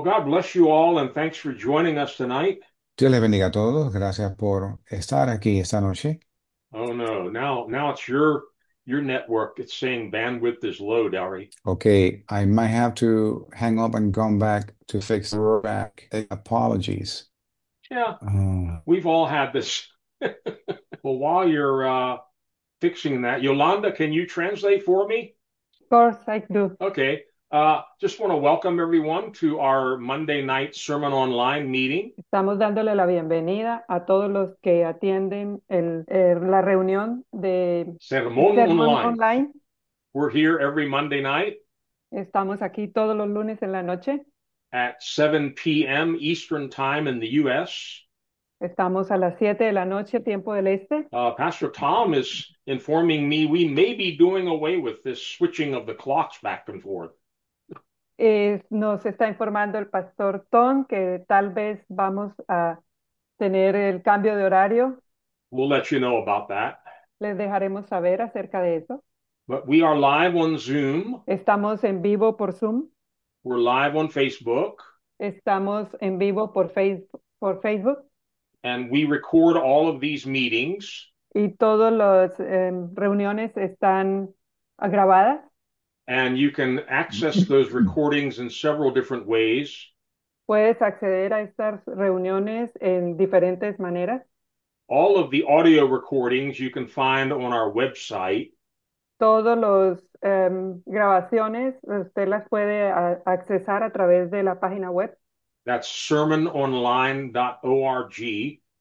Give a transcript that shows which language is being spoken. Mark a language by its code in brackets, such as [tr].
[en] God bless you all and thanks for joining us tonight. [es] Dios les bendiga a todos. Gracias por estar aquí esta noche. [en] Oh no, now it's your network. It's saying bandwidth is low, Dari. Okay, I might have to hang up and come back to fix the back. Apologies. Yeah, we've all had this. Well, while you're fixing that, Yolanda, can you translate for me? Of course, I do. Okay. Just want to welcome everyone to our Monday night Sermon Online meeting. [es] Estamos dándole la bienvenida a todos los que atienden la reunión de Sermon Sermon Online. Online. [en] We're here every Monday night [es] Estamos aquí todos los lunes en la noche. [en] at 7 p.m. Eastern Time in the U.S. [es] Estamos a las 7 de la noche, tiempo del este. [en] Pastor Tom is informing me we may be doing away with this switching of the clocks back and forth. [es] Nos está informando el pastor Tom que tal vez vamos a tener el cambio de horario. [en] We'll let you know about that. [es] Les dejaremos saber acerca de eso. [en] But we are live on Zoom. [es] Estamos en vivo por Zoom. [en] We're live on Facebook. [es] Estamos en vivo por Facebook. [en] And we record all of these meetings. [es] Y todas las reuniones están grabadas. [en] And you can access those recordings in several different ways. [es] Puedes acceder a estas reuniones en diferentes maneras. [en] All of the audio recordings you can find on our website. [es] Todas las grabaciones usted las puede accesar a través de la página web. [en] That's sermononline.org.